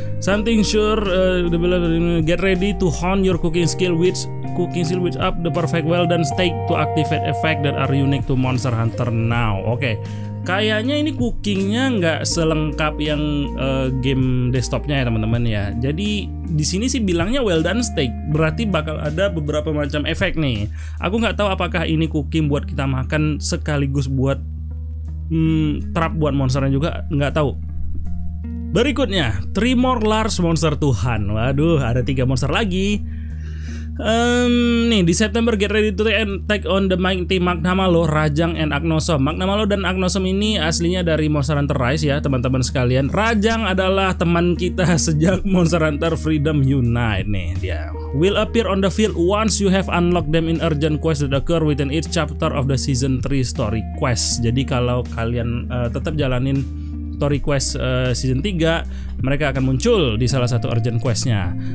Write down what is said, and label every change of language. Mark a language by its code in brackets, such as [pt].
[en] Something sure get ready to hone your cooking skill which up the perfect well done steak to activate effect that are unique to Monster Hunter Now. Oke. Okay. [id] Kayaknya ini cookingnya enggak selengkap yang game desktopnya ya, teman-teman ya. Jadi di sini sih bilangnya well done steak, berarti bakal ada beberapa macam efek nih. Aku enggak tahu apakah ini cooking buat kita makan sekaligus buat trap buat monsternya juga, enggak tahu. Berikutnya, [en] 3 more large monster to hunt. [id] Waduh, ada 3 monster lagi. Nih di [en] September get ready to take on the mighty Magna Malo, Rajang and Agnosom. [id] Magna Malo dan Agnosom ini aslinya dari Monster Hunter Rise ya, teman-teman sekalian. Rajang adalah teman kita sejak Monster Hunter Freedom Unite nih dia. [en] Will appear on the field once you have unlocked them in urgent quest that occur within each chapter of the season 3 story quest. [id] Jadi kalau kalian tetap jalanin story quest season 3, mereka akan muncul di salah satu urgent questnya.